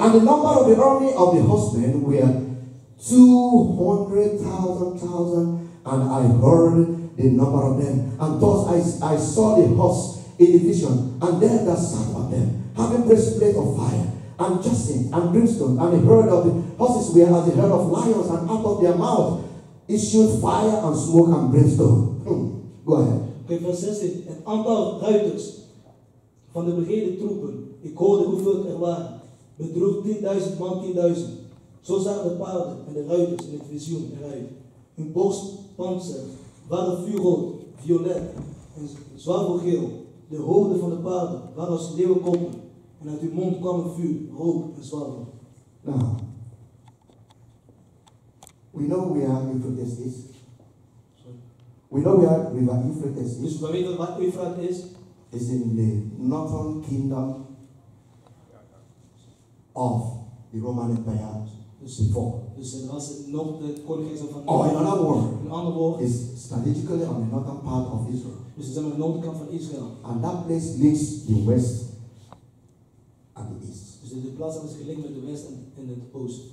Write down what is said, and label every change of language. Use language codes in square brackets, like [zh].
[en] And the number of the army of the horsemen were 200,000, and I heard the number of them, and thus I saw the horse in the vision, and there that sat on them, having breastplate of fire, and jacinth, and brimstone, and the herd of the horses were as the herd of lions, and out of their mouth issued fire and smoke and brimstone. Go ahead. Okay, verse 16. [nl] Een aantal ruiters van de begeerde troepen, ik hoorde hoeveel er waren, bedroeg 10.000 man 10.000. Zo zagen de paarden en de ruiters in het visioen eruit. Hun borstpanzer. Waren vuurrood, violet en zwavelgeel. De hoofden van de paarden waren als leeuwenkoppen. En uit hun mond kwam een vuur, rook en zwavel. [en] Now, we know we are Euphrates. Sorry. We know we are River Euphrates. [nl] Dus we weten wat Euphrates is. [en] It's in the northern kingdom of the Roman Empire. [nl] Dus het was nog de koninkrijk van Israël. In andere woorden, [en] is strategically on the northern part of Israel. [nl] Dus het is aan de noordkant van Israël. [en] And that place links the west and the east. [nl] Dus de plaats is gelinkt met de west en in het oosten.